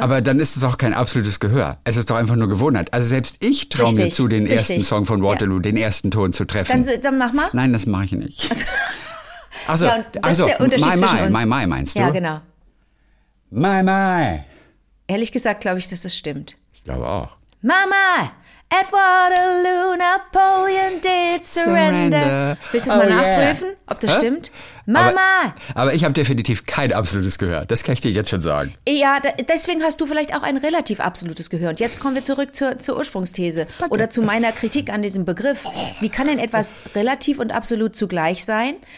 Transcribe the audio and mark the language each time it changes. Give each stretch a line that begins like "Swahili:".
German: Aber dann ist es doch kein absolutes Gehör. Es ist doch einfach nur Gewohnheit. Also selbst ich traue mir zu, den ersten Song von Waterloo, den ersten Ton zu treffen. Dann mach mal. Nein, das mache ich nicht. Also, das ist der Unterschied zwischen uns. Ja, genau. Mai. Ehrlich gesagt glaube ich, dass das stimmt. Ich glaube auch. Mama!
English: At Waterloo, Napoleon did surrender.
German: Willst du es mal nachprüfen, ob das stimmt? Mama! Aber ich habe definitiv kein absolutes Gehör. Das kann ich dir jetzt schon sagen. Ja, deswegen hast du vielleicht auch ein relativ absolutes Gehör. Und jetzt kommen wir zurück zur Ursprungsthese. Danke. Oder zu meiner Kritik an diesem Begriff. Wie kann denn etwas relativ und absolut zugleich sein?